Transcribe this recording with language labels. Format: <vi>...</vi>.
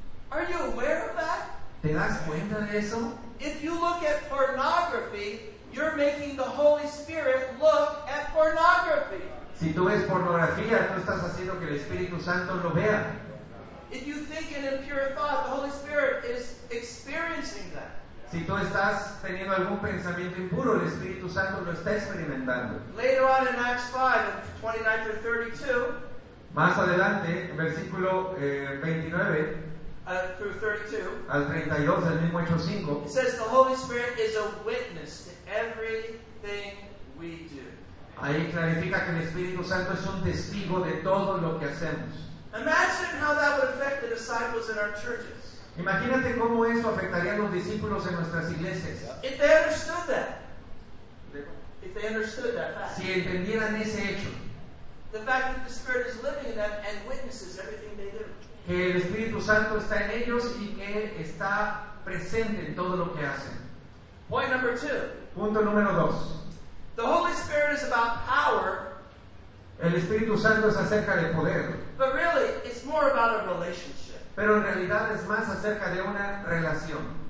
<en>Are you aware of that?</en> <es>¿Te das cuenta de eso?</es> <en>If you look at pornography, you're making the Holy Spirit look at pornography.</en> <es>Si tú ves pornografía, tú estás haciendo que el Espíritu Santo lo vea.</es> <en>If you think an impure thought, the Holy Spirit is experiencing that.</en> <es>Si tú estás teniendo algún pensamiento impuro, el Espíritu Santo lo está experimentando.</es> <en>Later on in Acts 5, 29-32,</en> <es>más adelante, versículo 29 al 32 del mismo Hechos 5,</es> <en>it says the Holy Spirit is a witness to everything we do.</en> <es>Ahí clarifica que el Espíritu Santo es un testigo de todo lo que hacemos.</es> <en>Imagine how that would affect the disciples in our churches.</en> <es>Imagínate cómo eso afectaría a los discípulos en nuestras iglesias.</es> <en>If they understood that. If they understood that fact.</en> <es>Si entendieran ese hecho.</es> <en>The fact that the Spirit is living in them and witnesses everything they do.</en> <es>Que el Espíritu Santo está en ellos y que está presente en todo lo que hacen.</es> <en>Point number two.</en> <es>Punto número dos.</es> <en>The Holy Spirit is about power.</en> <es>El Espíritu Santo es acerca de poder.</es> <en>But really, it's more about a relationship.</en> <es>Pero en realidad es más acerca de una relación.</es>